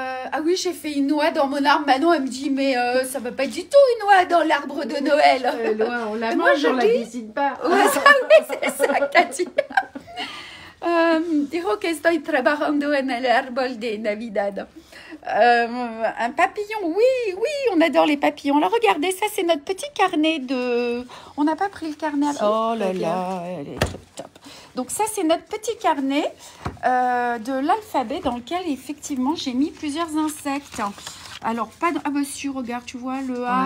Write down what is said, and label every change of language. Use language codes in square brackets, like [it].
[fr] Ah oui, j'ai fait une oie dans mon arbre. Manon, elle me dit, mais ça ne va pas du tout une oie dans l'arbre de Noël. L'oie, on la mange, moi, on ne la visite pas. Ouais, ça, oui, c'est ça que tu as dit. [es] Dijo que estoy trabajando en el árbol de Navidad. [fr] Un papillon, oui, on adore les papillons. Alors regardez, ça c'est notre petit carnet de... On n'a pas pris le carnet. Oh là là, elle est top. Donc ça c'est notre petit carnet de l'alphabet dans lequel effectivement j'ai mis plusieurs insectes. Alors pas de... Ah bah si, regarde, tu vois le A.